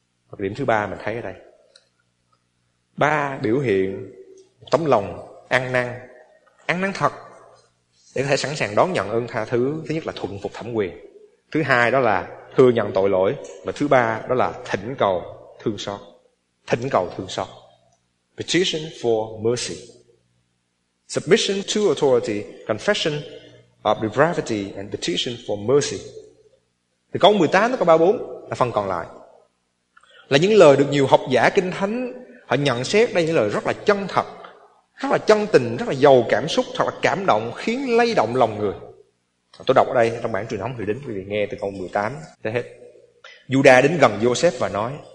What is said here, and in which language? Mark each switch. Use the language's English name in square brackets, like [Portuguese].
[Vietnamese] Và điểm thứ ba mình thấy ở đây, ba biểu hiện tấm lòng ăn năn thật để có thể sẵn sàng đón nhận ơn tha thứ. Thứ nhất là thuận phục thẩm quyền, thứ hai đó là thừa nhận tội lỗi, và thứ ba đó là thỉnh cầu thương xót. Thỉnh cầu thương xót. [English] Petition for mercy. Submission to authority, confession of depravity and petition for mercy. [Vietnamese] Thì câu 18 tới câu 34 là phần còn lại. Là những lời được nhiều học giả kinh thánh họ nhận xét đây những lời rất là chân thật, rất là chân tình, rất là giàu cảm xúc, thật là cảm động, khiến lay động lòng người. Tôi đọc ở đây trong bản truyền thống Hiệu Đính, quý vị nghe từ câu 18 tới hết. Giu-đa đến gần Joseph và nói: